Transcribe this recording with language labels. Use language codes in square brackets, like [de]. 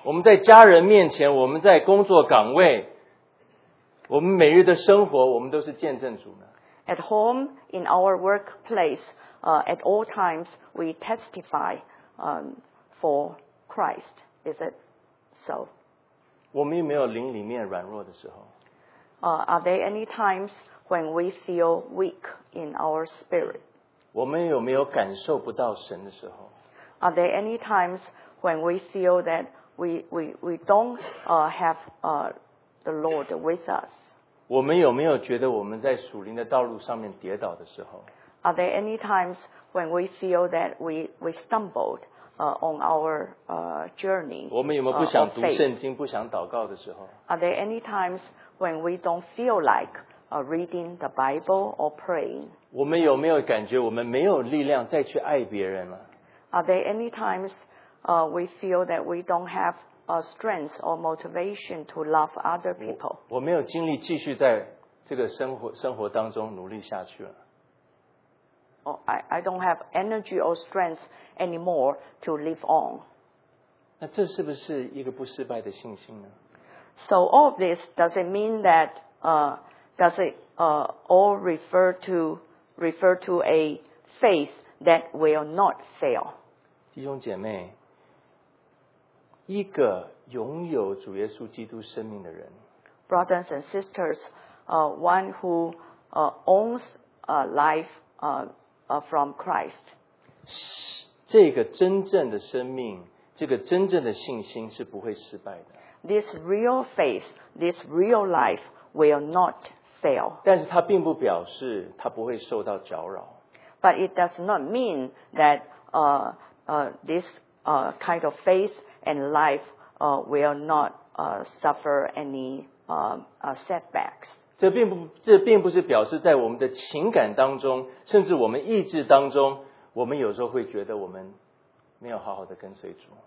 [zh] 我们在家人面前，我们在工作岗位，我们每日的生活，我们都是见证主的。 [en] At home, in our workplace, at all times, we testify for Christ. Is it so? [zh] 我们有没有灵里面软弱的时候？ [en] Are there any times when we feel weak in our spirit? [zh] 我们有没有感受不到神的时候？ [en] Are there any times when we feel that we don't have the Lord with us? [zh] 我们有没有觉得我们在属灵的道路上面跌倒的时候？ [en] Are there any times when we feel that we stumbled on our journey? [zh] 我们有没有不想读圣经，不想祷告的时候？ [en] Are there any times when we don't feel like reading the Bible or praying? [zh] 我们有没有感觉我们没有力量再去爱别人了？ [en] Are there any times we feel that we don't have strength or motivation to love other people? [zh] 我没有精力继续在这个生活当中努力下去了。 [en] I don't have energy or strength anymore to live on. [zh] 那这是不是一个不失败的信心呢？ [en] So all of this, does it mean that does it all refer to a faith that will not fail? [zh] 弟兄姐妹，一个拥有主耶稣基督生命的人， [en] Brothers and sisters, one who owns a life from Christ, [zh] 这个真正的生命，这个真正的信心是不会失败的。 [en] This real faith, this real life will not fail. [zh] 但是它并不表示它不会受到搅扰。 [en] But it does not mean that this kind of faith and life will not suffer any setbacks. [zh] 这并不是表示在我们的情感当中，甚至我们意志当中，我们有时候会觉得我们没有好好的跟随主。